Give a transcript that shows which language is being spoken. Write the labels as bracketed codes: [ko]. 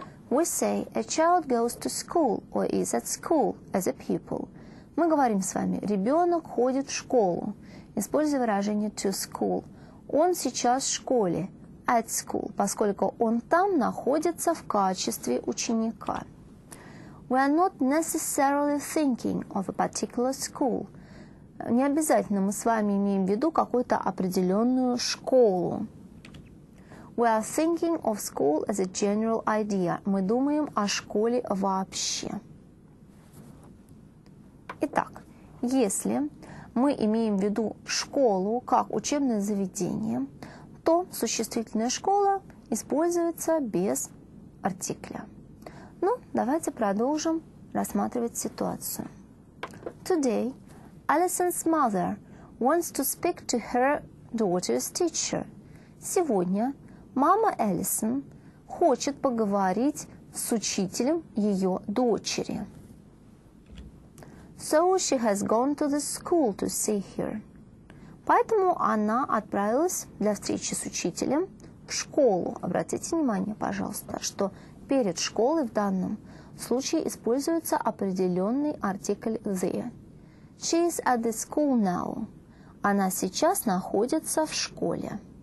[en] We say a child goes to school or is at school as a pupil. [ru] Мы говорим с вами, ребенок ходит в школу, используя выражение [en] to school. [ru] Он сейчас в школе, [en] at school, [ru] поскольку он там находится в качестве ученика. [en] We are not necessarily thinking of a particular school. [ru] Не обязательно мы с вами имеем в виду какую-то определенную школу. [en] We are thinking of school as a general idea. [ru] Мы думаем о школе вообще. Итак, если мы имеем в виду школу как учебное заведение, то существительная школа используется без артикля. Ну, давайте продолжим рассматривать ситуацию. [en] Today, Allison's mother wants to speak to her daughter's teacher. [ru] Сегодня мама Allison хочет поговорить с учителем ее дочери. [en] So she has gone to the school to see her. [ru] Поэтому она отправилась для встречи с учителем в школу. Обратите внимание, пожалуйста, что перед школой в данном случае используется определенный артикль «the». [en] She is at the school now. [ru] Она сейчас находится в школе.